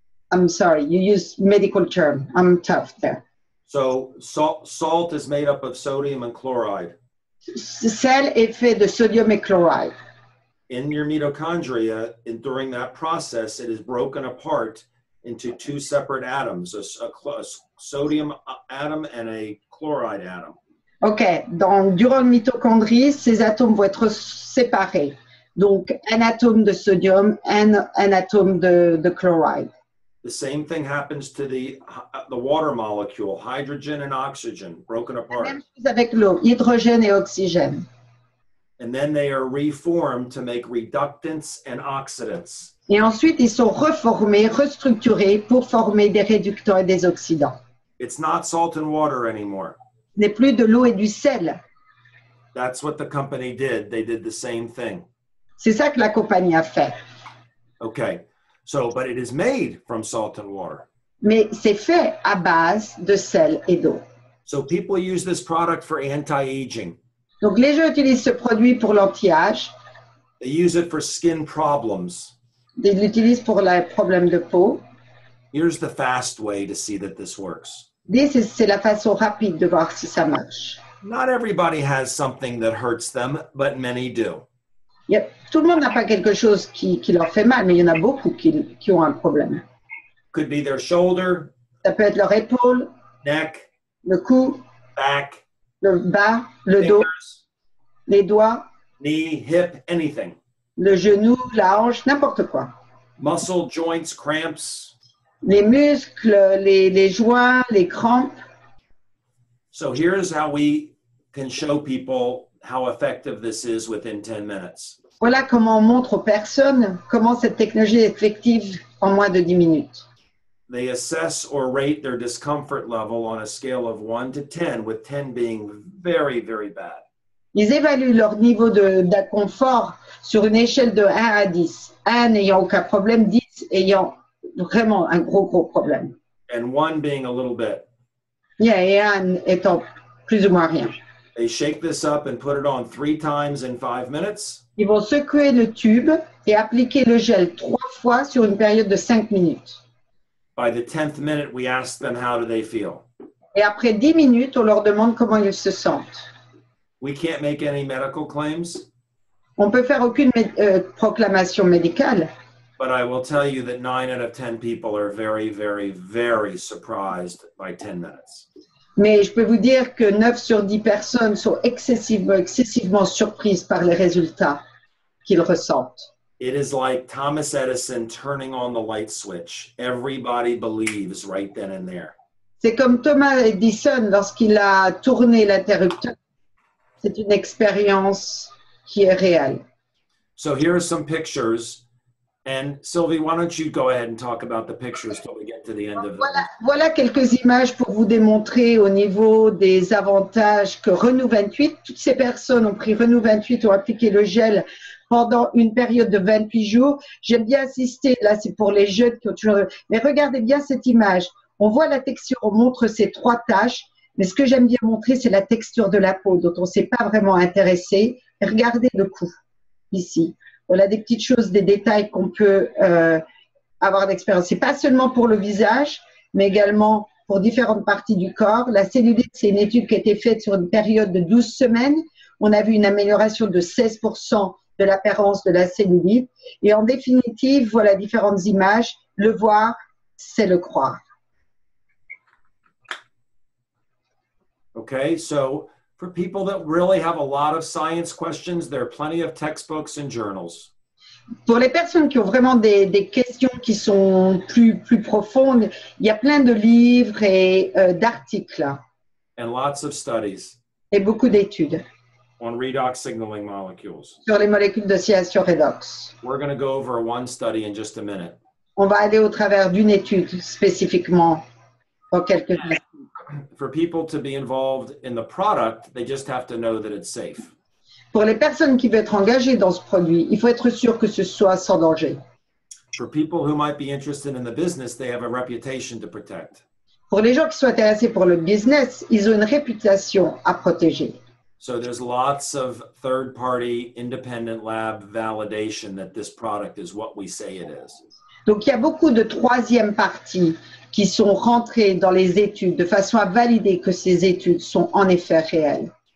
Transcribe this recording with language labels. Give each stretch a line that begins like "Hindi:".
English: I'm sorry, you use medical term. I'm tough there. So salt is made up of sodium and chloride.
French: Sel est fait de sodium et chloride.
English: In your mitochondria, during that process, it is broken apart into two separate atoms, a sodium atom and a chloride atom.
French: Okay, donc durant la mitochondrie, ces atomes vont être séparés. Donc, un atome de sodium and un atome de chloride.
English: The same thing happens to the water molecule, hydrogen and oxygen, broken apart.
French: La même chose avec l'eau, hydrogène et oxygène.
English: And then they are reformed to make reductants and oxidants.
French: Et ensuite, ils sont reformés, restructurés pour former des réducteurs et des oxydants.
English: It's not salt and water anymore.
French: Ce n'est plus de l'eau et du sel.
English: That's what the company did. They did the same thing.
French: C'est ça que la compagnie a fait.
English: Okay. So, but it is made from salt and water.
French: Mais c'est fait à base de sel et d'eau.
English: So people use this product for anti-aging.
French: Donc les gens utilisent ce produit pour l'anti-âge.
English: They use it for skin problems.
French: Ils l'utilisent pour les problèmes de peau.
English: Here's the fast way to see that this works. This is,
French: c'est la façon rapide de voir si ça marche.
English: Not everybody has something that hurts them, but many do. Yep.
French: Tout le monde n'a pas quelque chose qui leur fait mal, mais il y en a beaucoup qui ont un problème.
English: Could be their shoulder.
French: Ça peut être leur épaule.
English: Neck.
French: Le cou.
English: Back.
French: Le bas. Le
English: fingers,
French: dos. Les doigts.
English: Knee, hip, anything.
French: Le genou, la hanche, n'importe quoi.
English: Muscle, joints, cramps.
French: Les muscles, les joints, les crampes.
English: So here's how we can show people how effective this is within 10 minutes.
French: Voilà comment on montre aux personnes comment cette technologie est effective en moins de 10 minutes.
English: They assess or rate their discomfort level on a scale of 1 to 10, with 10 being very, very bad.
French: Ils évaluent leur niveau d'inconfort sur une échelle de 1 à 10. 1 n'ayant aucun problème, 10 ayant vraiment un gros, gros problème.
English: And 1 being a little bit.
French: Yeah, et 1 étant plus ou moins rien.
English: They shake this up and put it on 3 times in 5 minutes.
French: Ils vont secouer le tube et appliquer le gel 3 fois sur une période de 5 minutes.
English: By the 10th minute, we ask them how do they feel.
French: Et après 10 minutes, on leur demande comment ils se sentent.
English: We can't make any medical claims.
French: On peut faire aucune proclamation médicale.
English: But I will tell you that 9 out of 10 people are very, very, very surprised by 10 minutes.
French: Mais je peux vous dire que 9 sur 10 personnes sont excessivement surprises par les résultats qu'ils ressentent.
English: It is like Thomas Edison turning on the light switch. Everybody believes right then and there.
French: C'est comme Thomas Edison lorsqu'il a tourné l'interrupteur. C'est une expérience qui est réelle. So here are some pictures. And Sylvie, why don't you go ahead and talk about the pictures till we get to the end of it. Voilà quelques images pour vous démontrer au niveau des avantages que Renew 28, toutes ces personnes ont pris Renew 28, ont appliqué le gel pendant une période de 28 jours. J'aime bien insister, là c'est pour les jeunes qui ont toujours... Mais regardez bien cette image. On voit la texture, on montre ces trois taches. Mais ce que j'aime bien montrer, c'est la texture de la peau dont on ne s'est pas vraiment intéressé. Regardez le cou ici. On a des petites choses, des détails qu'on peut avoir d'expérience. C'est pas seulement pour le visage, mais également pour différentes parties du corps. La cellulite, c'est une étude qui a été faite sur une période de 12 semaines. On a vu une amélioration de 16% de l'apparence de la cellulite. Et en définitive, voilà différentes images. Le voir, c'est le croire.
English: OK, so... For people that really have a lot of science questions, there are plenty of textbooks and journals.
French: Pour les personnes qui ont vraiment des questions qui sont plus profondes, il y a plein de livres et d'articles.
English: And lots of studies.
French: Et beaucoup d'études.
English: On redox signaling molecules.
French: Sur les molécules d'oscillation redox.
English: We're going to go over one study in just a minute.
French: On va aller au travers d'une étude spécifiquement pour quelques minutes.
English: For people to be involved in the product, they just have to know that it's safe.
French: Pour les personnes qui veulent être engagées dans ce produit, il faut être sûr que ce soit sans danger.
English: For people who might be interested in the business, they have a reputation to protect.
French: Pour les gens qui sont intéressés pour le business, ils ont une réputation à protéger.
English: So there's lots of third-party independent lab validation that this product is what we say it is.
French: Donc il y a beaucoup de troisième partie qui sont rentrés dans les études de façon à valider que ces études sont en effet réelles.